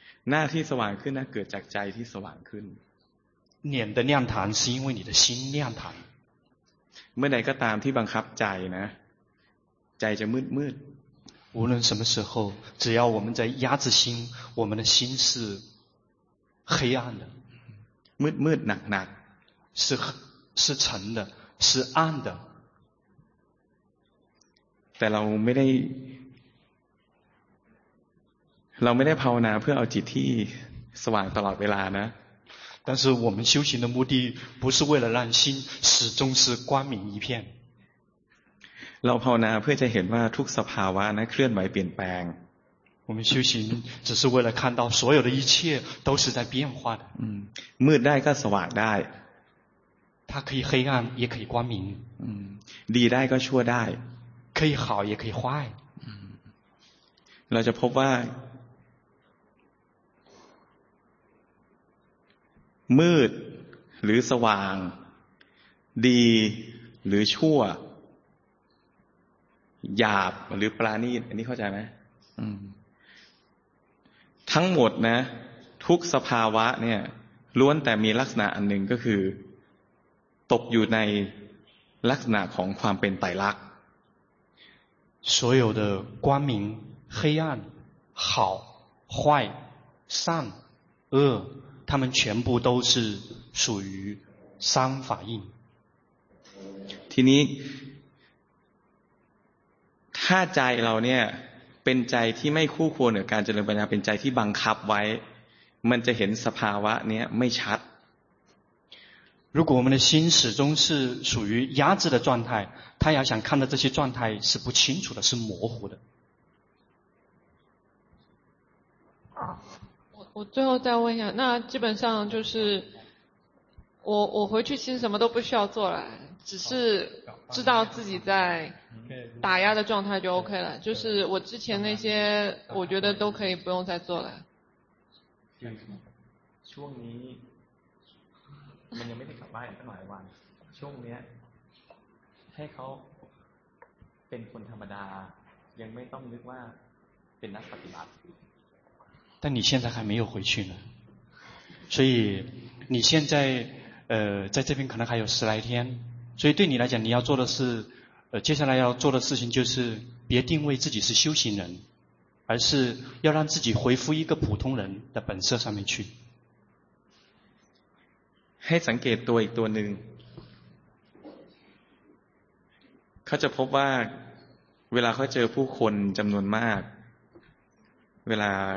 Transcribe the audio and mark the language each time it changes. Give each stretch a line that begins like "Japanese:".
Thai: หน้าที่สว่างขึ้นนะเกิดจากใจที่สว่างขึ้น
Chinese: 脸的亮堂是因为你的心亮堂
Thai: เมื่อใดก็ตามที่บังคับใจนะใจจะมืดมืด
Chinese: 无论什么时候只要我们在压制心我们的心是黑暗的
Thai: มืดมืดหนักหนัก
Chinese: 是沉的是暗的
Thai: แต่เราไม่ได้ภาวนาเพื่อเอาจิตที่สว่างตลอดเวลานะ
Chinese: 但是我们修行的目的不是为了让心始终是光明一片
Thai: เราภาวนาเพื่อจะเห็นว่าทุกสภาวะนะเคลื่อนไหวเปลี่ยนแปลง
Chinese: 我们修行只是为了看到所有的一切都是在变化的
Thai: มืดได้ก็สว่างได้
Chinese: 它可以黑暗也可以光明
Thai: ดีได้ก็ชั่วได้
Chinese: 可以好也可以坏
Thai: เราจะพบว่ามืดหรือสว่างดีหรือชั่วหยาบหรือปราณีตอันนี้เข้าใจไหมทั้งหมดนะทุกสภาวะเนี่ยล้วนแต่มีลักษณะอันหนึ่งก็คือตกอยู่ในลักษณะของความเป็นไตรลักษณ์
Chinese: 所有的光明黑暗好坏善恶它们全部都是属于三法印。
Thai: ทีนี้ถ้าใจเราเนี่ยเป็นใจที่ไม่คู่ควรกับการเจริญปัญญาเป็นใจที่บังคับไว้มันจะเห็นสภาวะเนี้ยไม่ชัด
Chinese: 如果我们的心始终是属于压制的状态他要想看到这些状态是不清楚的是模糊的我最后再问一下那基本上就是我回去其实什么都不需要做了只是知道自己在打压的状态就 OK 了就是我之前那些我觉得都可以不用再做了
Thai: ช่วงนี้มันยังไม่ได้กลับบ้านตั้งหลายวันช่วงนี้ให้เขาเป็นคนธรรมดายังไม่ต้องนึกว่าเป็นนักปฏิบัติ
Chinese: 但你现在还没有回去呢所以你现在在这边可能还有十来天所以对你来讲你要做的是接下来要做的事情就是别定位自己是修行人而是要让自己回复一个普通人的本色上面去
Thai: ให้สังเกตตัวอีกตัวหนึ่งเขาจะพบว่าเวลาเขาเจอผู้คนจำนวนมากเวลา